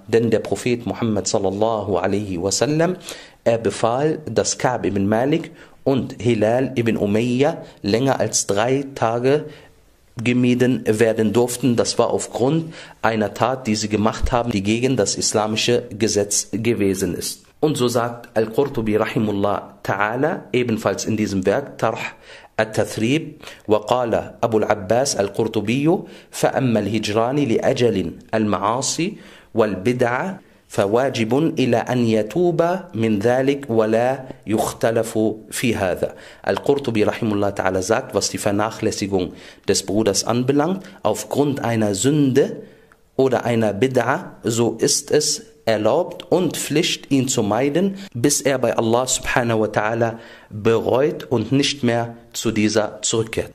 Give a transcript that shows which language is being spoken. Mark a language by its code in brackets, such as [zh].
[de] Denn der Prophet Muhammad sallallahu alaihi wasallam, er befahl, dass Ka'b ibn Malik und Hilal ibn Umayyah länger als 3 Tage gemieden werden durften. Das war aufgrund einer Tat, die sie gemacht haben, die gegen das islamische Gesetz gewesen ist. Und so sagt Al-Qurtubi rahimullah ta'ala ebenfalls in diesem Werk Tarh [ar] التثريب وقال أبو العباس القرطبي فأما الهجران لأجل المعاصي والبدعة فواجب إلى أن يتوب من ذلك ولا يختلف في هذا. القرطبي رحمه الله تعالى [de] sagt, was die Vernachlässigung des Bruders anbelangt, aufgrund einer Sünde oder einer Bid'a, so ist es erlaubt und Pflicht, ihn zu meiden, bis er bei Allah subhanahu wa ta'ala bereut und nicht mehr zu dieser zurückkehrt.